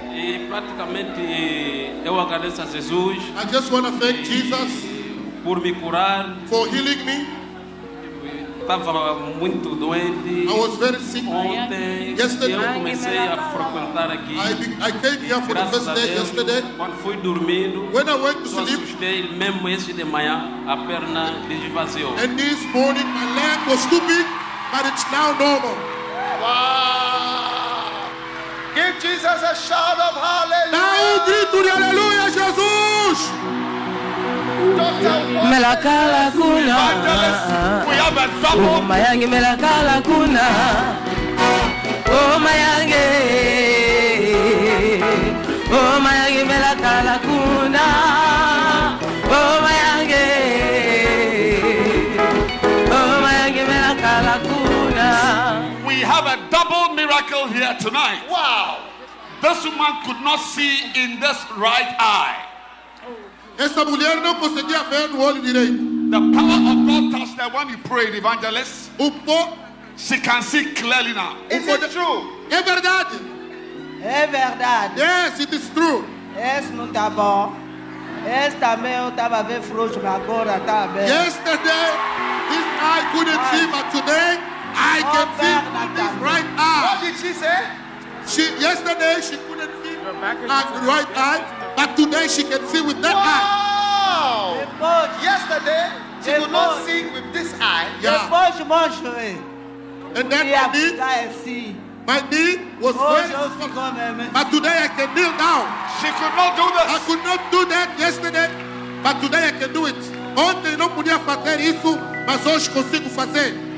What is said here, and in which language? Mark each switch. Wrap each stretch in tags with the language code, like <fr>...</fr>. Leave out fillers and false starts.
<pt>E praticamente eu agradeço a Jesus.</pt> <en>I just want to thank Jesus.</en> <pt>Por me curar.</pt> <en>For healing me.</en> <pt>Estava muito doente.</pt> <en>I was very sick.</en> <pt>Ontem,</pt> <en>yesterday.</en> <pt>Eu comecei a frequentar aqui.</pt> <en>I came here for the first day yesterday.</en> <pt>Quando fui dormindo.</pt> <en>When I went to sleep.</en> <pt>Assustei, mesmo esse de manhã, a perna desvaziou.</pt> <en>And this morning my leg was stupid, but it's now normal. Wow. Give Jesus a shout of hallelujah.</en> <pt>Dá grito de aleluia, Jesus. Melakala kuna, mayange melakala kuna, oh mayange, oh mayange melakala kuna, oh mayange, oh mayange melakala kuna.</pt> <en>We have a double miracle here tonight. Wow, this woman could not see in this right eye. Essa mulher não conseguia ver no olho direito. The power of God touched her when you prayed, evangelist. She can see clearly now. Is it true?</en> <pt>É verdade. É verdade.</pt> <en>Yes, it is true.</en> <pt>Esse não está bom. Esse também eu estava vendo frouxo, mas agora está bem.</pt> <en>Yesterday, this eye couldn't see, but today, I can see with this right eye. What did she say? Yesterday, she couldn't see with her right eye. But today she can see with that eye. Yesterday she could not see with this eye. Yeah. And then my knee was very strong. But today I can kneel down. She could not do this. I could not do that yesterday, but today I can do it.</en> <pt>Ontem não podia fazer isso, mas hoje consigo fazer.</pt>